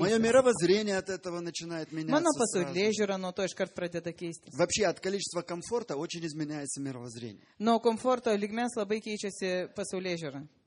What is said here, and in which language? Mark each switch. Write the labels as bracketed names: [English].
[Russian] Мое мировоззрение от этого начинает меняться. [Lithuanian] Mano pasaulėžiūra nuo to iš kart pradeda keistis. [Russian] Вообще от количества комфорта очень изменяется мировоззрение. [Lithuanian] Nuo komforto lygmens labai keičiasi pasaulėžiūra.